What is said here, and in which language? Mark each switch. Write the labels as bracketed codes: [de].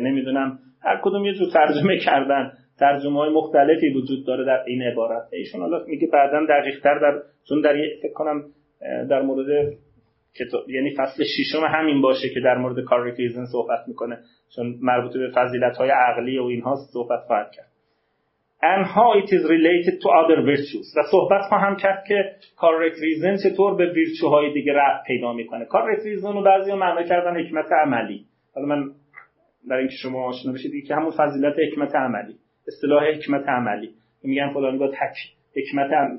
[fa] نمیدونم هر کدوم یه جور ترجمه کردن، ترجمه های مختلفی وجود داره در این عبارت. ایشون الان میگه بعدا دقیق تر در چون در یه فکر کنم در مورد کتاب، یعنی فصل ششم همین باشه که در مورد correct reason صحبت میکنه، چون مربوط به فضیلت های عقلی و این ها صحبت خواهد کرد. [en] and how it is related to other virtues. [fa] و صحبت خواهم کرد که correct reason چطور به virtue های دیگه ربط پیدا میکنه. correct reason رو بعضی ها معنا کردن حکمت عملی، حالا من برای اینکه شما آشنا بشید، که همون فضیلت حکمت عملی، اصطلاح حکمت عملی میگن خدا میگه حکمت هم.